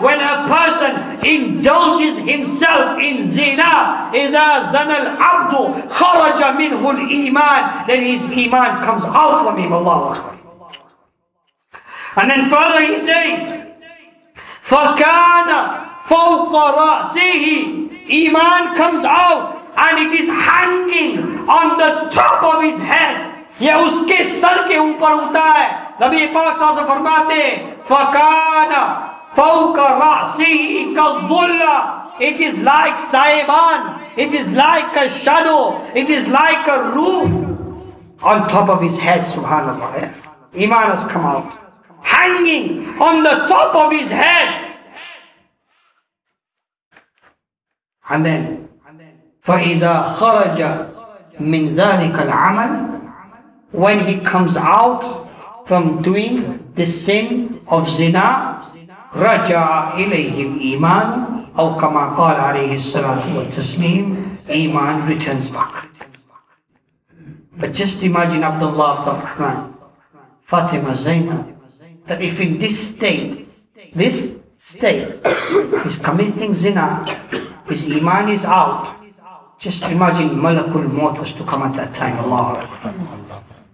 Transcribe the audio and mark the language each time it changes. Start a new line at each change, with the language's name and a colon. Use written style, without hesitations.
English: When a person indulges himself in zina,
Arabic: idha zanal abdu kharaja minhu al-iman,
English: then his iman comes out from him, Allah. And then further he says,
Arabic: فَكَانَ فَوْقَ رَأْسِهِ.
English: Iman comes out and it is hanging on the top of his head.
Urdu: یہ اس کے سر کے اوپر ہوتا ہے. نبی پاک صلی اللہ علیہ وسلم فرماتے ہیں
Arabic: فَكَانَ فَوْقَ رَأْسِهِ كَالظُّلَّةِ.
English: It is like Saiban, it is like a shadow, it is like a roof on top of his head, subhanAllah. Iman has come out, hanging on the top of his head.
Arabic: And then, فَإِذَا خَرَجَ مِن ذَلِكَ الْعَمَلِ.
English: When he comes out from doing the sin of zina,
Arabic: رَجَعَ إِلَيْهِمْ إِيمَانُ. أو كما قال عليه الصلاة والتسليم,
English: Iman returns back. But just imagine Abdullah ibn Rahman, Fatima Zainab, that if in this state, he's committing zina, his Iman is out, just imagine Malakul Maut was to come at that time, Allah.